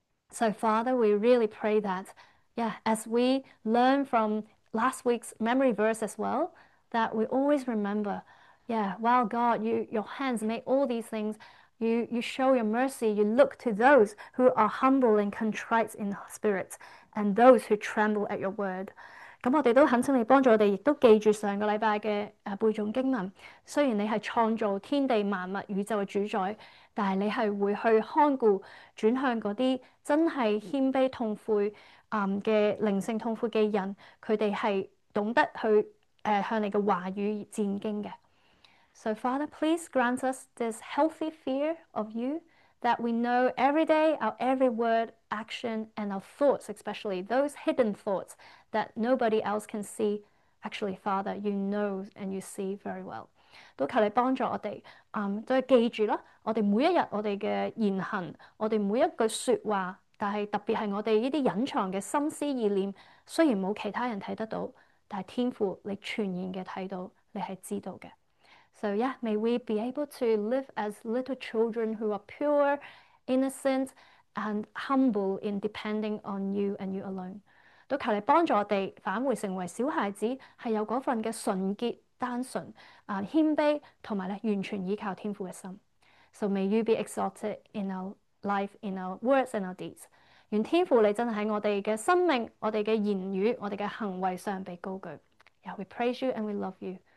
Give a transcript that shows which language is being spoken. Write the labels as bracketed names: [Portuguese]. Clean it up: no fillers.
[English] So Father, we really pray that, yeah, as we learn from last week's memory verse as well, that we always remember, yeah, wow, God, your hands made all these things. You show your mercy. You look to those who are humble and contrite in spirit, and those who tremble at your word. [Cantonese] 咁我哋都恳请你帮助我哋，亦都记住上个礼拜嘅背诵经文。虽然你系创造天地万物宇宙嘅主宰，但系你系会去看顾转向嗰啲真系谦卑痛悔嘅灵性痛悔嘅人，佢哋系懂得去向你嘅话语战经嘅。 [English] So Father, please grant us this healthy fear of you, that we know every day our every word, action, and our thoughts, especially those hidden thoughts that nobody else can see. Actually, Father, you know and you see very well. [Cantonese] 都求你帮助我哋，都记住啦，我哋每一日我哋嘅言行，我哋每一句说话，但系特别系我哋呢啲隐藏嘅心思意念，虽然冇其他人睇得到，但系天父你全然嘅睇到，你系知道嘅。 [English] So yeah, may we be able to live as little children who are pure, innocent, and humble in depending on you and you alone. [Cantonese] 都求你帮助我哋返回成为小孩子，系有嗰份嘅纯洁、单纯、谦卑，同埋咧完全依靠天父嘅心。 [English] So may you be exalted in our life, in our words and our deeds. [Cantonese] 愿天父你真系喺我哋嘅生命、我哋嘅言语、我哋嘅行为上被高举。 [English] Yeah, we praise you and we love you.